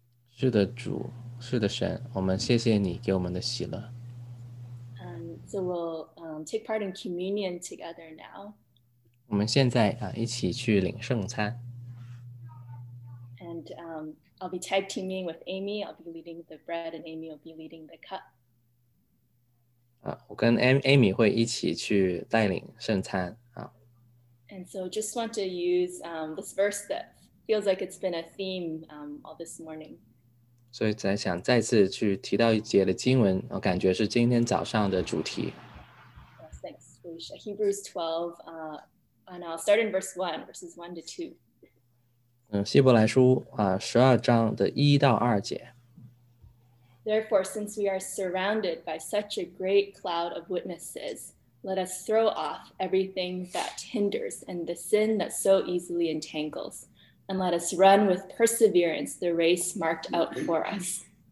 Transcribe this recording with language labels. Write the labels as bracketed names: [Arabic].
[Chinese] 是的，主，是的，神，我们谢谢你给我们的喜乐。 [English] So we'll take part in communion together now. [Chinese] 我们现在一起去领圣餐。 [English] And I'll be tag teaming with Amy. I'll be leading the bread, and Amy will be leading the cup. [Chinese] 我跟 Amy 会一起去带领圣餐。 [English] And so just want to use this verse that feels like it's been a theme all this morning. [Chinese] 所以想再次去提到一节的经文, 感觉是今天早上的主题。 [English] Yes, thanks, Felicia. Hebrews 12, and I'll start in verse 1, verses 1 to 2. [Chinese] 希伯来书, 12章的1到2节。 [English] Therefore, since we are surrounded by such a great cloud of witnesses, let us throw off everything that hinders and the sin that so easily entangles, and let us run with perseverance the race marked out for us.